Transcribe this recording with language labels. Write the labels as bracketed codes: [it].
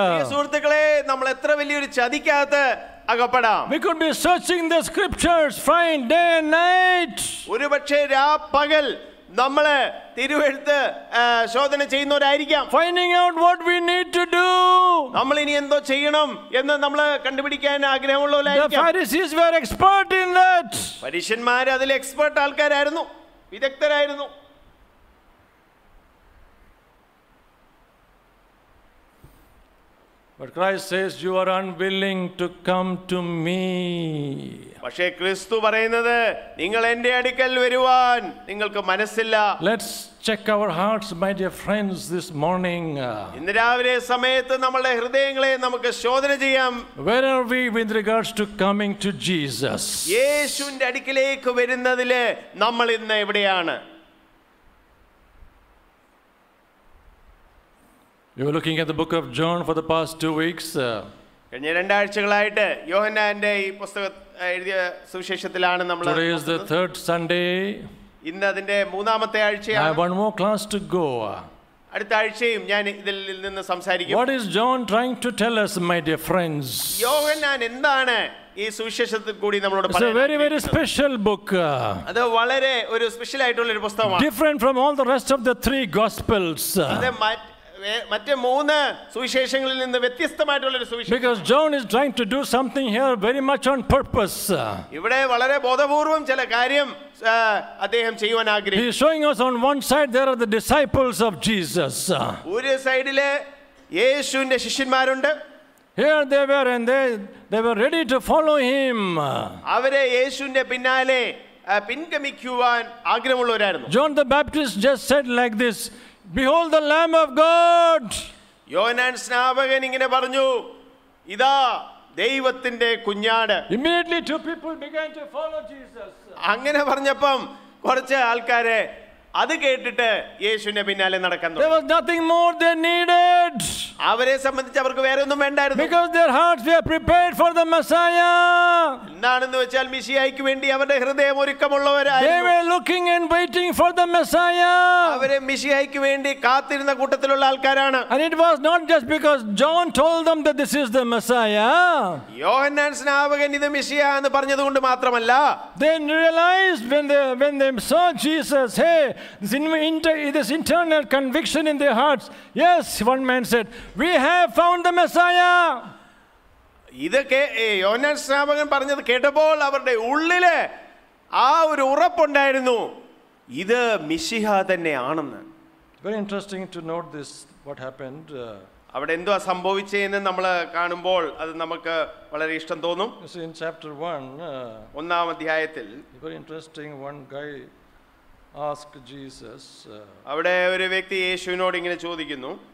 [ml] സുഹൃത്തുക്കളെ, നമ്മൾ എത്ര വലിയൊരു ചതിക്കകത്ത് അകപ്പെടാം. [en] We could be searching the scriptures fine day and night. [ml] ഒരുപക്ഷേ രാപ്പകൽ നമ്മൾ തിരുവെഴുത്ത് ശോധന ചെയ്യുന്നവരായിരിക്കാം. [en] Finding out what we need to do. [ml] നമ്മൾ ഇനി എന്തോ ചെയ്യണം എന്ന് നമ്മൾ കണ്ടുപിടിക്കാൻ ആഗ്രഹമുള്ളവരായിരിക്കാം. [en] The Pharisees were expert in that. [ml] പരീശന്മാർ അതിൽ എക്സ്പേർട്ട് ആൾക്കാരായിരുന്നു, വിദഗ്ധരായിരുന്നു. [en] But Christ says you are unwilling to come to me. [ml] പക്ഷെ ക്രിസ്തു പറയുന്നത് നിങ്ങൾ എൻ്റെ അടുക്കൽ വരുവാൻ നിങ്ങൾക്ക് മനസ്സില്ല. [en] Let's check our hearts, my dear friends, this morning. [ml] ഇന്ന് രാവിലെ സമയത്ത് നമ്മുടെ ഹൃദയങ്ങളെ നമുക്ക് ശോധന ചെയ്യാം. [en] Where are we with regards to coming to Jesus? [ml] യേശുവിൻ്റെ അടുക്കലേക്ക് വരുന്നതില് നമ്മൾ ഇന്ന് എവിടെയാണ്? [en] You're looking at the book of John for the past 2 weeks. [ml] കഴിഞ്ഞ രണ്ടാഴ്ചകളായിട്ട് യോഹന്നാന്റെ ഈ പുസ്തകം എഴുതിയ സുവിശേഷത്തിലാണ് നമ്മൾ. [en] Today is the third Sunday. [ml] ഇന്ന് അതിന്റെ മൂന്നാമത്തെ ആഴ്ചയാണ്. [en] I have one more class to go. [ml] അടുത്ത ആഴ്ചയും ഞാൻ ഇതിൽ നിന്ന് സംസാരിക്കും. [en] What is John trying to tell us, my dear friends? [ml] യോഹന്നാൻ എന്താണ് ഈ സുവിശേഷത്തിൽ കൂടി നമ്മളോട് പറയുന്നത്? [en] It's a very very special book. [ml] അത് വളരെ ഒരു സ്പെഷ്യൽ ആയിട്ടുള്ള ഒരു പുസ്തകമാണ്. [en] Different from all the rest of the three gospels. [ml] മറ്റേ മൂന്ന് സുവിശേഷങ്ങളിൽ നിന്ന് വ്യത്യസ്തമായിട്ടുള്ള ഒരു സുവിശേഷം. [en] Because John is trying to do something here very much on purpose. [ml] ഇവിടെ വളരെ ബോധപൂർവം ചില കാര്യം അദ്ദേഹം ചെയ്യുവാൻ ആഗ്രഹിക്കുന്നു. [en] He is showing us on one side there are the disciples of Jesus. [ml] ഒരു സൈഡിലെ യേശുവിന്റെ ശിഷ്യന്മാരുണ്ട്. [en] Here they were and they were ready to follow him. [ml] അവരെ യേശുവിന്റെ പിന്നാലെ പിൻഗമിക്കുവാൻ ആഗ്രഹമുള്ളവരായിരുന്നു. [en] John the Baptist just said like this, Behold the Lamb of God. [ml] യോഹന്നാൻ സ്നാപകൻ ഇങ്ങനെ പറഞ്ഞു, ഇതാ ദൈവത്തിന്റെ കുഞ്ഞാട്. [en] Immediately two people began to follow Jesus. [ml] അങ്ങനെ പറഞ്ഞപ്പം കുറച്ച് ആൾക്കാരെ അത് കേട്ടിട്ട് യേശുവിന്റെ പിന്നാലെ നടക്കാൻ തുടങ്ങി. [en] There was nothing more they needed. [ml] അവരെ സംബന്ധിച്ച് അവർക്ക് വേറെ ഒന്നും വേണ്ടായിരുന്നു. [en] Because their hearts were prepared for the Messiah. [ml] എന്താണെന്ന് വെച്ചാൽ മിശിഹായ്ക്ക് വേണ്ടി അവരുടെ ഹൃദയം ഒരുക്കമുള്ളവരായിരുന്നു. [en] They were looking and waiting for the Messiah. [ml] അവരെ മിശിഹായ്ക്ക് വേണ്ടി കാത്തിരുന്ന കൂട്ടത്തിലുള്ള ആൾക്കാരാണ്. [en] And it was not just because John told them that this is the Messiah. [ml] യോഹന്നാൻ സ്നാപകൻ ഇത് മിശിഹാ എന്ന് പറഞ്ഞതുകൊണ്ട് മാത്രമല്ല. [en] They realized when they saw Jesus, hey, This internal conviction in their hearts. Yes, one man said, we have found the Messiah. [ml] ഇതൊക്കെ യോഹന്നാൻ സ്നാപകൻ പറഞ്ഞത് കേട്ടപ്പോൾ അവരുടെ ഉള്ളില് ആ ഒരു ഉറപ്പുണ്ടായിരുന്നു, ഇത് മിശിഹ തന്നെയാണെന്ന്. [en] Very interesting to note this, what happened. [ml] അവിടെ എന്തോ സംഭവിച്ചെന്ന് നമ്മൾ കാണുമ്പോൾ അത് നമുക്ക് വളരെ ഇഷ്ടം തോന്നും. [en] This is in chapter 1. [ml] ഒന്നാം അധ്യായത്തിൽ [en] very interesting, one guy ask Jesus. [ml] അവിടെ ഒരു വ്യക്തി യേശുവിനോട് ഇങ്ങനെ ചോദിക്കുന്നു.